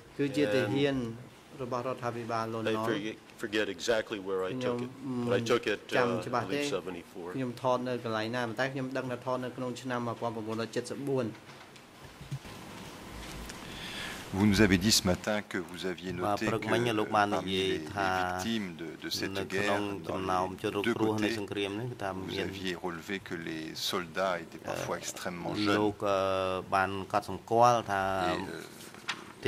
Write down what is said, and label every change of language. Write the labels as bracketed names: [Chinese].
[English] Forget exactly where I took it, but I took it in 1974. [Khmer] ខ្ញុំថតនៅកន្លែងណាតែខ្ញុំដឹងថាថតនៅក្នុងឆ្នាំ 1974. [French] Vous nous avez dit ce matin que vous aviez noté que parmi les victimes de cette guerre, dans les deux côtés, vous aviez relevé que les soldats étaient parfois extrêmement jeunes. Et,